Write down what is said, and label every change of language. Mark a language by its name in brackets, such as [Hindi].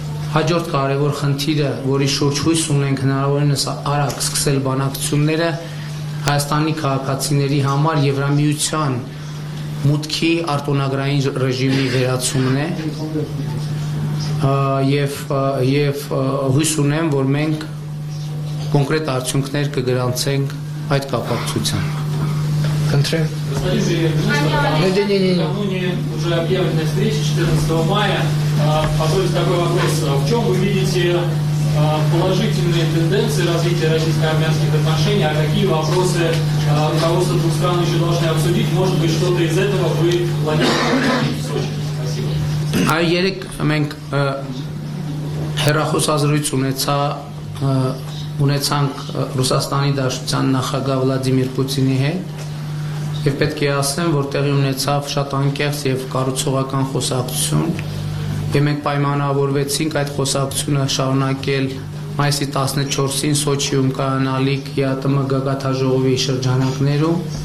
[Armenian] Հաջորդ կարեւոր խնդիրը, որի շուրջ հույս ունենք հնարավորինս արագ սկսել բանակցությունները Հայաստանի քաղաքացիների համար, Եվրամիության մուտքի արտոնագրային ռեժիմի վերացումն է, եւ հույս ունեմ, որ մենք կոնկրետ արդյունքներ կգրանցենք այդ կապակցությամբ։ Контрем. [Russian] Скажите, не, не, не. Уже объявлена встреча 14 мая. Позвольте такой вопрос. В чем вы видите положительные тенденции развития российско-армянских отношений, а какие вопросы руководство двух стран еще должны обсудить? Может быть, что-то из этого вы планируете обсудить в Сочи? Спасибо. А Ерик, [Armenian] ունեցանք Ռուսաստանի Դաշնության նախագահ Վլադիմիր Պուտինի հետ եւ պետք է ասեմ, որ տեղի ունեցավ շատ անկեղծ եւ կարուցողական խոսակցություն եւ մենք պայմանավորվեցինք այդ խոսակցությունը շարունակել մայիսի 14-ին Սոչիում կայանալիք ԵԱՏՄ գագաթաժողովի շրջանակներում։